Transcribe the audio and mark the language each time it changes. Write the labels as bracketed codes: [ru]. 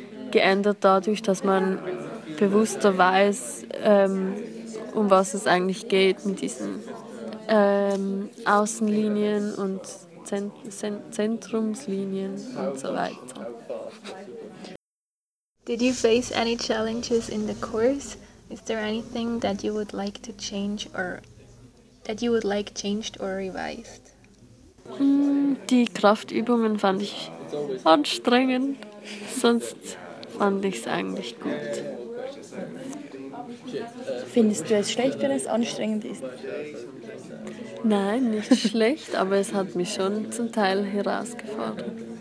[de] geändert dadurch, dass man bewusster weiß, um was es eigentlich geht mit diesen Außenlinien und Zentrumslinien und so weiter. [en] Did you face any challenges in the course? Is there anything that you would like to change or that you would like changed or revised? [de] Die Kraftübungen fand ich anstrengend, sonst fand ich es eigentlich gut. Findest du es schlecht, wenn es anstrengend ist? Nein, nicht schlecht, aber es hat mich schon zum Teil herausgefordert.